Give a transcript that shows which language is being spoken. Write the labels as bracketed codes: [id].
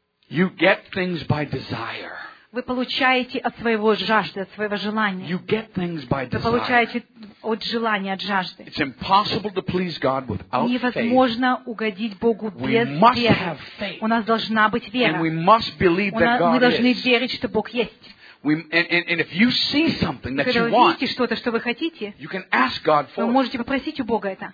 [en] You get things by desire. [ru] Вы получаете от своего жажды, от своего желания. [en] You get things by desire. [ru] Вы получаете от желания, от жажды. [en] It's impossible to please God without faith. [ru] Невозможно угодить Богу без веры. [en] We must have faith. [ru] У нас должна быть вера. [en] And we must believe that God is. [ru] Мы должны верить, что Бог есть. [en] And if you see something that you want, [ru] когда вы видите что-то, что вы хотите, [en] you can ask God for it. [ru] Вы можете попросить у Бога это.